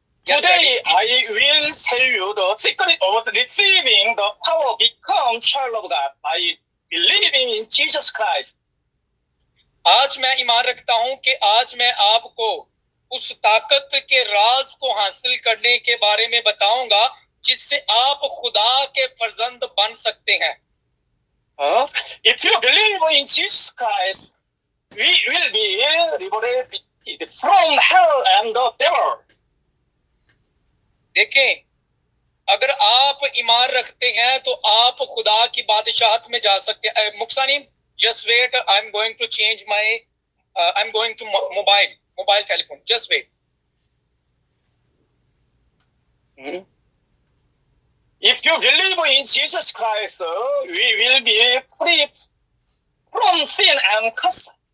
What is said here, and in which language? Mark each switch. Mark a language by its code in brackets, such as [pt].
[en] Today I will tell you the secret of receiving the power to become child of God by believing in Jesus Christ. [hi] आज मैं ईमान रखता हूँ कि आज मैं आपको उस ताकत के राज को हासिल करने के बारे में बताऊंगा जिससे आप खुदा के फर्जंद बन सकते हैं। [en] If you believe in Jesus Christ, we will be liberated from hell and the devil. [hi] देखें, अगर आप ईमान रखते हैं तो आप खुदा की बादशाहत में जा सकते हैं। [en] मुक्सानी just wait, I am going to mobile telephone, just wait. If you believe in Jesus Christ, we will be free from sin and curse.